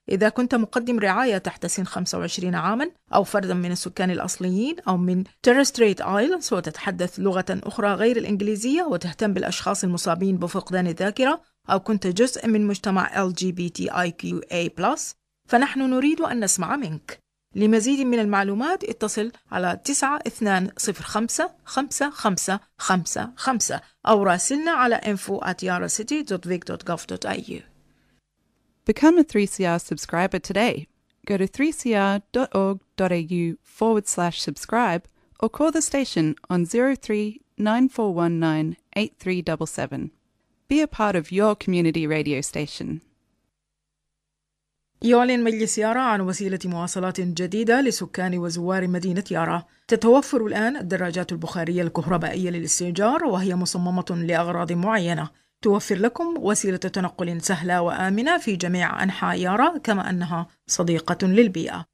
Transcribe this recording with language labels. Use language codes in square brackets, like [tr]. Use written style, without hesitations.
[ar] إذا كنت مقدم رعاية تحت سن 25 عاما أو فردا من السكان الأصليين أو من Torres Strait Islands وتتحدث لغة أخرى غير الإنجليزية وتهتم بالأشخاص المصابين بفقدان الذاكرة أو كنت جزء من مجتمع LGBTIQA+ فنحن نريد أن نسمع منك. لمزيد من المعلومات اتصل على 92055555 أو راسلنا على info@yarracity.vic.gov.au. [en] Become a 3CR subscriber today. Go to 3cr.org.au/subscribe or call the station on 03 9419 8377. Be a part of your community radio station. [ar] يعلن مجلس يارا عن وسيلة مواصلات جديدة لسكان وزوار مدينة يارا. تتوفر الآن الدراجات البخارية الكهربائية للاستئجار وهي مصممة لأغراض معينة. توفر لكم وسيلة تنقل سهلة وآمنة في جميع أنحاء يارا كما أنها صديقة للبيئة.